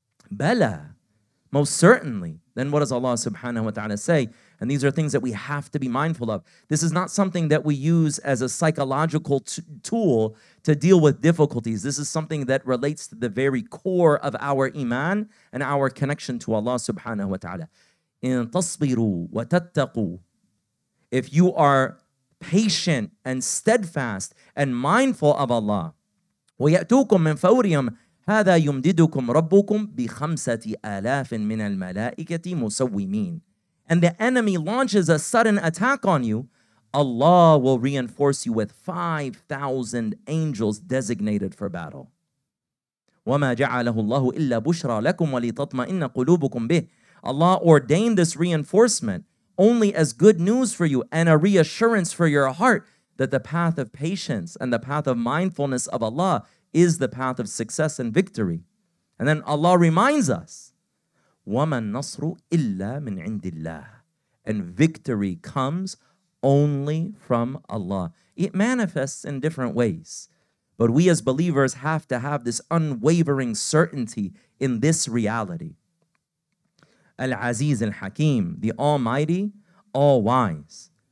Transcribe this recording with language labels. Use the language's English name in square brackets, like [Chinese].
[English] Bala, most certainly. Then what does Allah subhanahu wa ta'ala say? And these are things that we have to be mindful of. This is not something that we use as a psychological tool to deal with difficulties. This is something that relates to the very core of our iman and our connection to Allah subhanahu wa ta'ala. [Arabic] إِن تَصْبِرُوا وَتَتَّقُوا. [English] If you are patient and steadfast and mindful of Allah, [Arabic] وَيَأْتُوكُمْ مِنْ فَوْرِيَمْ هَذَا يُمْدِدُكُمْ رَبُّكُمْ بِخَمْسَةِ آلَافٍ مِنَ الْمَلَائِكَةِ مُسَوِّمِينَ. [English] And the enemy launches a sudden attack on you, Allah will reinforce you with 5,000 angels designated for battle. [Arabic] وَمَا جَعَلَهُ اللَّهُ إِلَّا بُشْرَى لَكُمْ وَلِتَطْمَئِنَّ قُلُوبُكُمْ بِهِ. [English] Allah ordained this reinforcement only as good news for you and a reassurance for your heart that the path of patience and the path of mindfulness of Allah is the path of success and victory. And then Allah reminds us, [Arabic] وَمَا النَّصْرُ إِلَّا مِنْ عِنْدِ اللَّهِ. [English] And victory comes only from Allah. It manifests in different ways. But we as believers have to have this unwavering certainty in this reality. Al-Aziz al-Hakim, the Almighty, All-Wise.